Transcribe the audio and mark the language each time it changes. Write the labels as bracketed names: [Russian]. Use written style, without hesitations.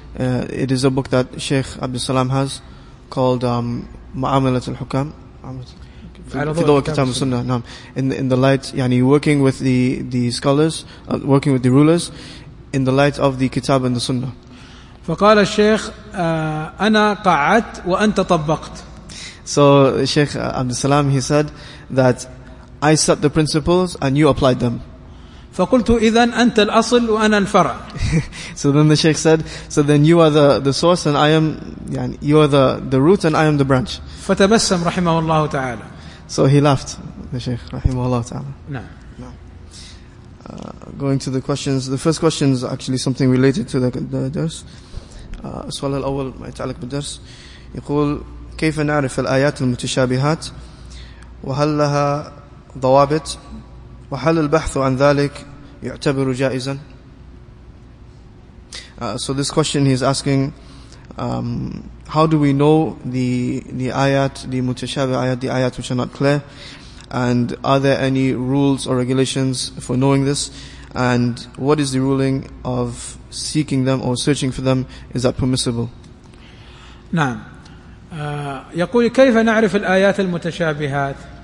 [English] It is a book that Sheikh Abdul Salam has called Mu'amalat al-Hukam, Fidaw al-Kitab al-Sunnah. In the light, yani working with the scholars, working with the rulers in the light of the Kitab and the Sunnah. [Arabic] فقال الشيخ أنا قعدت وأنت طبقت. [English] So Sheikh Abdul Salam, he said that I set the principles and you applied them. [Arabic] فقلت إذن أنت الأصل وأنا الفرع. [English] So then the Sheikh said, so then you are the source and I am, يعني, you are the root and I am the branch. [Arabic] فتبسم رحمه الله تعالى. [English] So he laughed, the Sheikh [Arabic] رحمه الله تعالى. [English] Going to the questions. The first question is actually something related to the درس. [Arabic] السؤال الأول ما يتعلق بالدرس. يقول كيف نعرف الآيات المتشابهات وهل لها ضوابط وهل البحث عن ذلك يعتبر جائزا. [English] So this question he is asking, how do we know the ayat, the mutashabih ayat, the ayat which are not clear, and are there any rules or regulations for knowing this, and what is the ruling of seeking them or searching for them, is that permissible? [Arabic] نعم. يقول كيف نعرف الآيات المتشابهات.